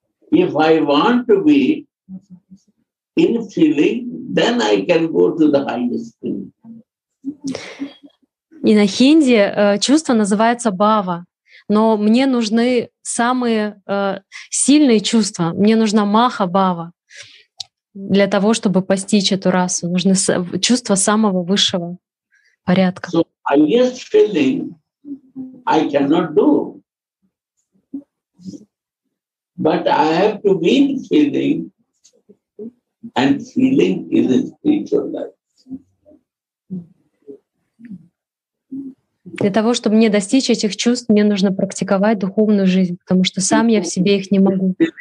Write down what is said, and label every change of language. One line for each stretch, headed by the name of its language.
English: If I want to be in feeling, then I can go to the highest thing.
Russian: И на хинди чувство называется бава, но мне нужны самые сильные чувства. Мне нужна маха бава для того, чтобы постичь эту расу. Нужны чувства самого высшего порядка.
English: So highest feeling I cannot do. But I have to be in feeling, and feeling is a spiritual life.
Russian: Для того, чтобы мне достичь этих чувств, мне нужно практиковать духовную жизнь, потому что сам я в себе их не могу.